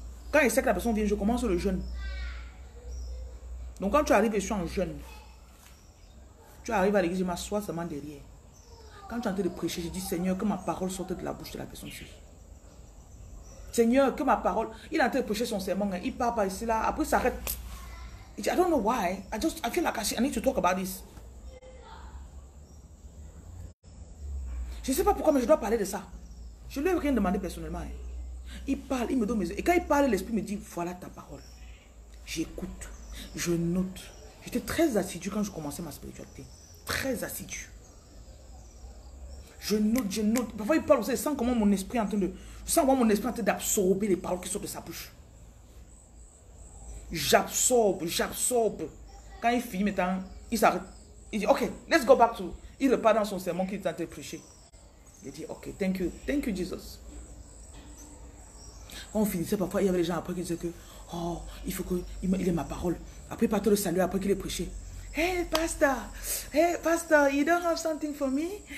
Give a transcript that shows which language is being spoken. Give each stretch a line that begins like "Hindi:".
French: Quand je sais que la personne vient, je commence le jeûne. Donc quand tu arrives et je suis en jeûne, tu arrives à l'église, je m'assois seulement derrière. Quand tu es en train de prêcher, je dis, Seigneur, que ma parole sorte de la bouche de la personne suivie. Seigneur, que ma parole. Il est en train de prêcher son serment. Hein. Il part par ici là. Après il s'arrête. Il dit,
English: I don't know why. I feel like I need to talk about this.
French: Je ne sais pas pourquoi, mais je dois parler de ça. Je ne lui ai rien demandé personnellement. Hein. Il parle, il me donne mes. Et quand il parle, l'esprit me dit, voilà ta parole. J'écoute. Je note. J'étais très assidu quand je commençais ma spiritualité. Très assidu. Je note, je note. Parfois il parle aussi, je sens comment mon esprit est en train de. Je sens comment mon esprit est en train d'absorber les paroles qui sortent de sa bouche. J'absorbe, j'absorbe. Quand il finit maintenant, il s'arrête. Il dit,
English: ok, let's go back to.
French: Il repart dans son sermon qu'il est en train de prêcher. Il dit,
English: ok, thank you, Jesus.
French: On finissait parfois, il y avait des gens après qui disaient que, oh, il faut que, il ait ma parole. Après, pas tout le salut, après qu'il ait prêché.
English: Hey, pasteur, you don't have something for me?